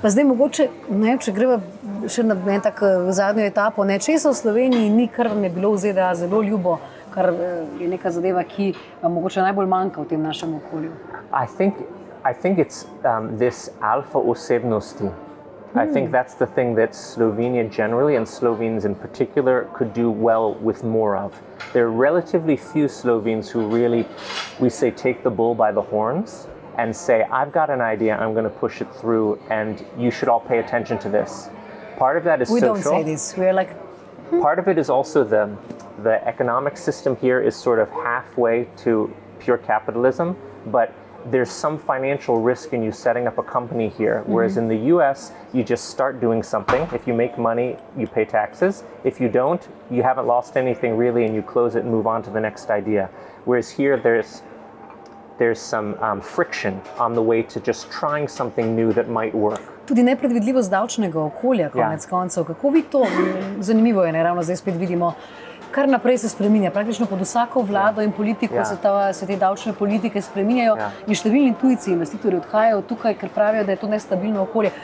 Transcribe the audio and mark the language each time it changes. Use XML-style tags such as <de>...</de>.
<sl>Pa zdaj mogoče, ne vem, če greva še na en tak zadnjo etapo, ne, če se v Sloveniji ni, kar ne bilo v ZDA zelo ljubo, kar je neka zadeva, ki mogoče najbolj manjka v tem našem okolju.</sl> <en>I think it's this</en> <sl>alfa osebnosti.</sl> <en>I think that's the thing that Slovenia generally and Slovenes in particular could do well with more of. There are relatively few Slovenes who really, we say, take the bull by the horns and say, I've got an idea, I'm going to push it through and you should all pay attention to this. Part of that is social. We don't say this. We're like... Part of it is also the economic system here is sort of halfway to pure capitalism, but there's some financial risk in you setting up a company here. Whereas mm-hmm. in the US, you just start doing something. If you make money, you pay taxes. If you don't, you haven't lost anything really, and you close it and move on to the next idea. Whereas here, there's some friction on the way to just trying something new that might work.</en> <sl>Tudi nepredvidljivost davčnega okolja, konec koncev. Kako vi to? Zanimivo je, ne? Ravno zdaj spet vidimo. Kar naprej se spreminja, praktično pod vsako vlado in politiko se te davčne politike spreminjajo in številni tujci investitorji odhajajo tukaj, ker pravijo, da je to nestabilno okolje.</sl>